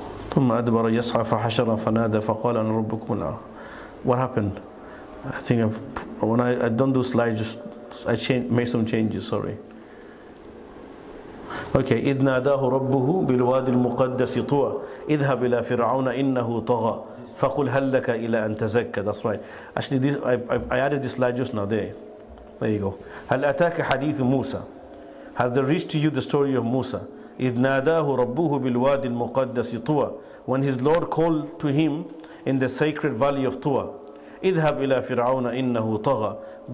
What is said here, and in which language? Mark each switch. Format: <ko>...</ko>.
<ar>ثم أدبر يسعى فحشر فنادى فقال أن ربكم الأعلى.</ar> <en>What happened? I think when I don't do slides, I made some changes. Sorry. Okay.</en> <ar>إذ ناداه ربه بالواد المقدس طوى اذهب إلى فرعون إنه طغى فقل هل لك إلى أن تزكى.</ar> <en>That's right. Actually, this, I added this slide just now. There you go.</en> <ar>هل أتاك حديث موسى?</ar> <en>Has there reached to you the story of Musa?</en> <ar>إذ ناداه ربه بالواد المقدس طوى.</ar> <en>When his Lord called to him in the sacred valley of Tua,</en> <ar>اذهب إلى فرعون إنه طغى.</ar>